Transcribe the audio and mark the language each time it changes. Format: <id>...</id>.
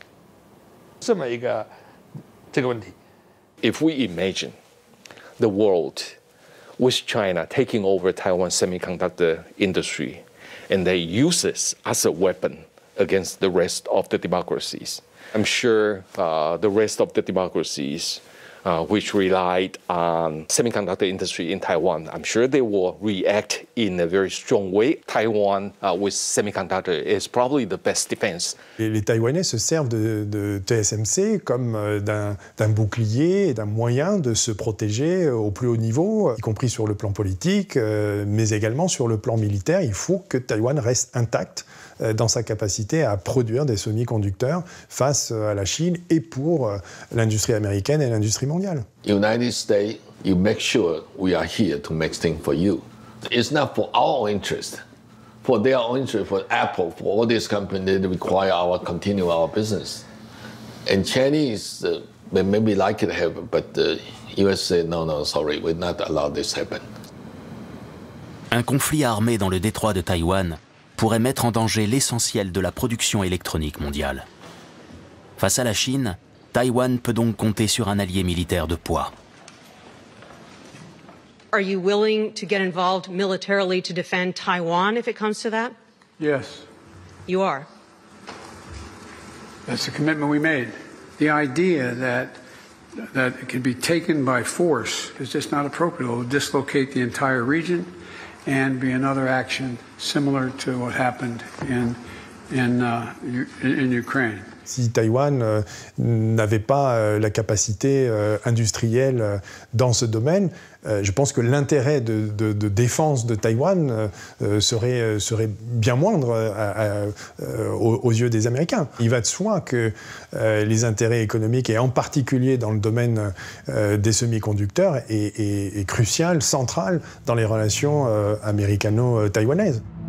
<zh>它是个新兴的半导体大国，那么时间太短就造成这个很多的工艺技术的积累。我们的能力就不是在这个行业里面要去追最先进那一点，我们把中低的我们靠量，中低端的吃了就完了，这么一个问题。</zh> <en>If we imagine the world with China taking over Taiwan semiconductor industry. And they use this as a weapon against the rest of the democracies. I'm sure the rest of the democracies which relied on semiconductor industry in Taiwan, I'm sure they will react in a very strong way. Taiwan with semiconductor is probably the best defense.</en> <fr>Les Taïwanais se servent de TSMC comme d'un bouclier, d'un moyen de se protéger au plus haut niveau, y compris sur le plan politique, mais également sur le plan militaire. Il faut que Taïwan reste intact dans sa capacité à produire des semi-conducteurs face à la Chine et pour l'industrie américaine et l'industrie mondiale.</fr> <en>United States, you make sure we are here to make things for you. It's not for our own interest, for their own interest, for Apple, for all these companies that require our continue our business. And Chinese, they maybe like it happen, but the US say, no, no, sorry, we're not allowed this happen.</en> <fr>Un conflit armé dans le détroit de Taïwan pourrait mettre en danger l'essentiel de la production électronique mondiale. Face à la Chine, Taïwan peut donc compter sur un allié militaire de poids.</fr> <en>Are you willing to get involved militarily to defend Taiwan if it comes to that? Yes. You are. That's the commitment we made. The idea that it can be taken by force is just not appropriate. It will dislocate the entire region. And be another action similar to what happened in Ukraine.</en> <fr>Si Taïwan n'avait pas la capacité industrielle dans ce domaine, je pense que l'intérêt de défense de Taïwan serait bien moindre aux yeux des Américains. Il va de soi que les intérêts économiques, et en particulier dans le domaine des semi-conducteurs, est crucial, central dans les relations américano-taïwanaises.</fr>